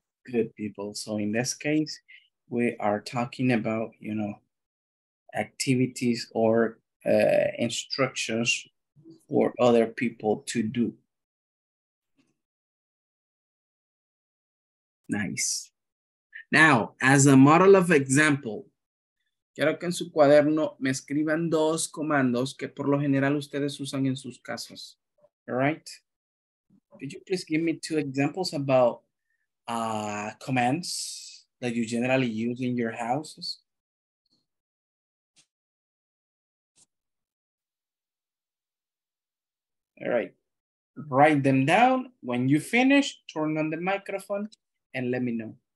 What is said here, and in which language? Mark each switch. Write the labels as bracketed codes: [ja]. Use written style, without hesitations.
[en] Good people. So in this case, we are talking about, you know, activities or instructions for other people to do. Nice. Now, as a model of example, [es] quiero que en su cuaderno me escriban dos comandos que por lo general ustedes usan en sus casas. [en] All right? Could you please give me two examples about commands that you generally use in your houses? All right. Write them down. When you finish, turn on the microphone and let me know.